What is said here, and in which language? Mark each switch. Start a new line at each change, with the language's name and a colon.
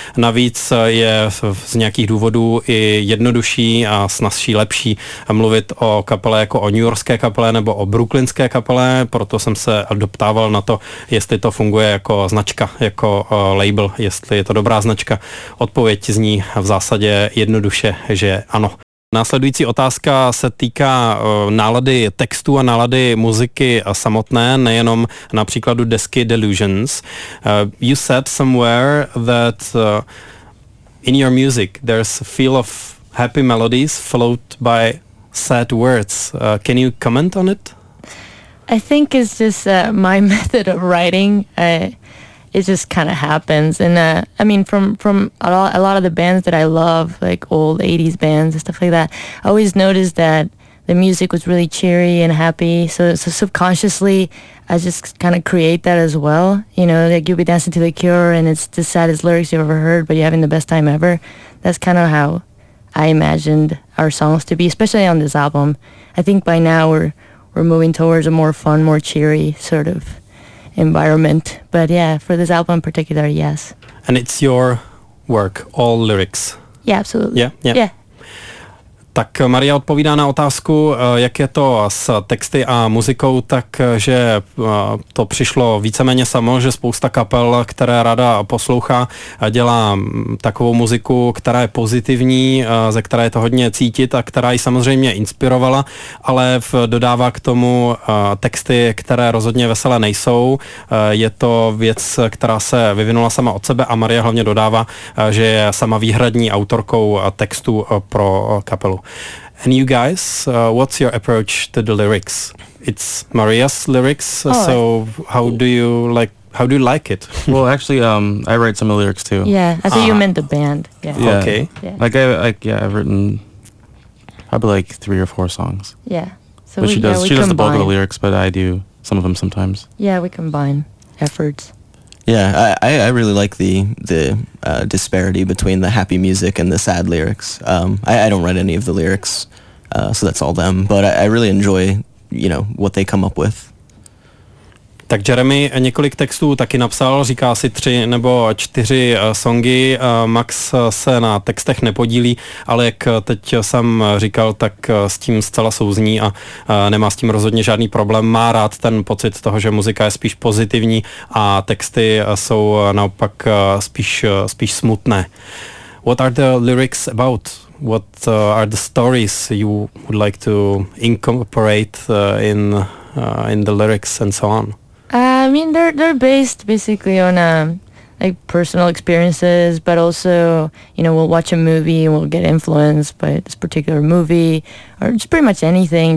Czech: Navíc je z nějakých důvodů i jednodušší a snazší, lepší mluvit o kapele jako o newyorské kapele nebo o brooklynské kapele, proto jsem se doptával na to, jestli to funguje jako značka, jako label, jestli je to dobrá značka. Odpověď zní v zásadě jednoduše, že ano. Následující otázka se týká nálady textu a nálady muziky samotné, nejenom na příkladu desky Delusions.
English: You said somewhere that in your music there's a feel of happy melodies followed by sad words. Can you comment on it? I think it's just my method of writing. It just kind of happens. And I mean, from a lot of the bands that I love, like old 80s bands and stuff like that, I always noticed that the music was really cheery and happy. So subconsciously, I just kind of create that as well. You know, like you'll be dancing to The Cure and it's the saddest lyrics you've ever heard, but you're having the best time ever. That's kind of how I imagined our songs to be, especially on this album. I think by now we're moving towards a more fun, more cheery sort of environment. But yeah, for this album in particular, yes. And it's your work, all lyrics. Yeah, absolutely. Yeah.
Czech: Tak Maria odpovídá na otázku, jak je to s texty a muzikou, takže to přišlo víceméně samo, že spousta kapel, které rada poslouchá, dělá takovou muziku, která je pozitivní, ze které je to hodně cítit a která ji samozřejmě inspirovala, ale dodává k tomu texty, které rozhodně veselé nejsou. Je to věc, která se vyvinula sama od sebe a Maria hlavně dodává, že je sama výhradní autorkou textu pro kapelu.
English: And you guys, what's your approach to the lyrics? It's Maria's lyrics, so how do you like it? Well, actually, I write some of the lyrics too. Yeah, I thought you meant the band. Yeah. Okay. Yeah. I've written probably like 3 or 4 songs. Yeah. So she does the bulk of the lyrics, but I do some of them sometimes. Yeah, we combine efforts. Yeah, I really like the disparity between the happy music and the sad lyrics. I don't write any of the lyrics, so that's all them. But I really enjoy, you know, what they come up with.
Czech: Tak Jeremy několik textů taky napsal, říká si 3 nebo 4 songy. Max se na textech nepodílí, ale jak teď jsem říkal, tak s tím zcela souzní a nemá s tím rozhodně žádný problém. Má rád ten pocit toho, že muzika je spíš pozitivní a texty jsou naopak spíš smutné.
English: What are the lyrics about? What are the stories you would like to incorporate in the lyrics and so on? I mean, they're based basically on like personal experiences, but also, you know, we'll watch a movie and we'll get influenced by this particular movie or just pretty much anything.